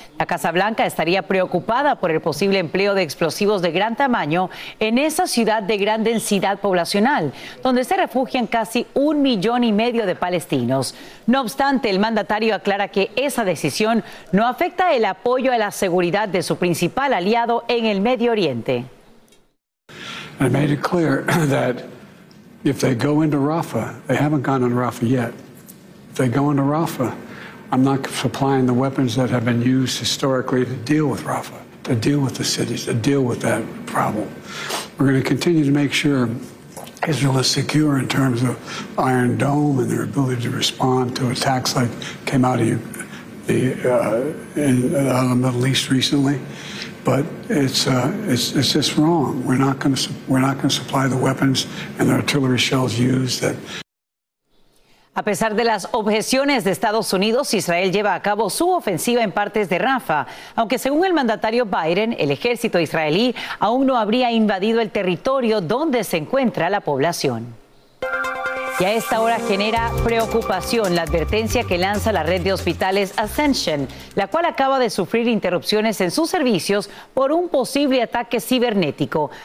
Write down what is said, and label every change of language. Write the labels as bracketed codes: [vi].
[es] La Casa Blanca estaría preocupada por el posible empleo de explosivos de gran tamaño en esa ciudad de gran densidad poblacional, donde se refugian casi 1,5 millones de palestinos. No obstante, el mandatario aclara que esa decisión no afecta el apoyo a la seguridad de su principal aliado en el Medio Oriente. [en] I made it clear that if they go into Rafah, they haven't gone into Rafah yet. If they go into Rafah, I'm not supplying the weapons that have been used historically to deal with Rafah, to deal with the cities, to deal with that problem. We're going to continue to make sure Israel is secure in terms of Iron Dome and their ability to respond to attacks like came out of the in the Middle East recently. But it's just wrong. We're not going to supply the weapons and the artillery shells used that. [es] A pesar de las objeciones de Estados Unidos, Israel lleva a cabo su ofensiva en partes de Rafah, aunque según el mandatario Biden, el ejército israelí aún no habría invadido el territorio donde se encuentra la población. Y a esta hora genera preocupación la advertencia que lanza la red de hospitales Ascension, la cual acaba de sufrir interrupciones en sus servicios por un posible ataque cibernético.